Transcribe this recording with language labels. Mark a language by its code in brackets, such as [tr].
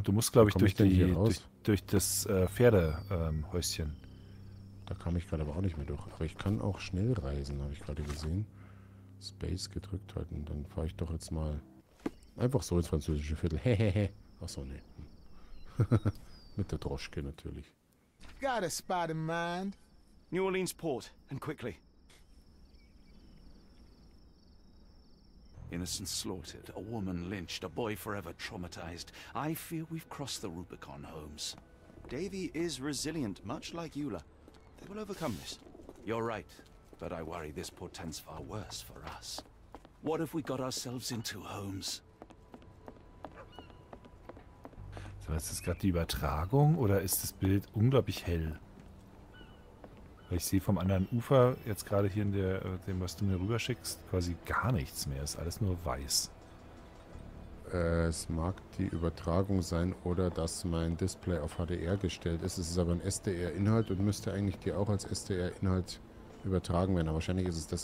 [de] Du musst, glaube ich, durch das Pferdehäuschen. Da kam ich gerade aber auch nicht mehr durch. Aber ich kann auch schnell reisen, habe ich gerade gesehen. Space gedrückt halten. Dann fahre ich doch jetzt mal einfach so ins französische Viertel. Hehehe. Achso, nee. Mit der Droschke natürlich. [en] Got a spot in mind. New Orleans Port, and quickly. Innocents slaughtered, a woman lynched, a boy forever traumatized. I fear we've crossed the Rubicon, Holmes. Davy is resilient, much like Eula. They will overcome this. You're right, but I worry this portends far worse for us. What have we got ourselves into, Holmes? [de] So, ist das gerade die Übertragung oder ist das Bild unglaublich hell? Weil ich sehe vom anderen Ufer jetzt gerade hier in dem, was du mir rüberschickst, quasi gar nichts mehr. Ist alles nur weiß. Es mag die Übertragung sein oder dass mein Display auf HDR gestellt ist. Es ist aber ein SDR-Inhalt und müsste eigentlich dir auch als SDR-Inhalt übertragen werden. Aber wahrscheinlich ist es das.